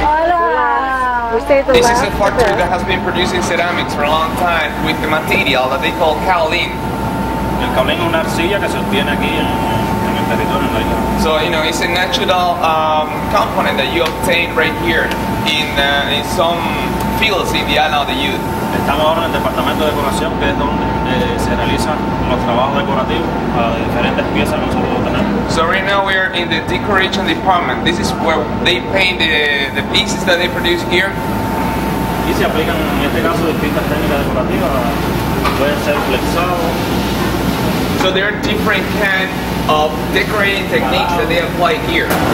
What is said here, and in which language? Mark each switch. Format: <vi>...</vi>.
<en>This is a factory that has been producing ceramics for a long time with the material that they call kaolin. So, you know, it's a natural component that you obtain right here in some fields in the island of the youth.</en> <es>Estamos ahora en el departamento de decoración, que es donde se realizan los trabajos decorativos para diferentes piezas que nosotros tenemos.</es> <en>So right now we are in the decoration department. This is where they paint the pieces that they produce here.</en> <es>Y se aplican en este caso distintas técnicas decorativas. Pueden ser flexados.</es> <en>So there are different kinds of decorating techniques that they apply here.</en>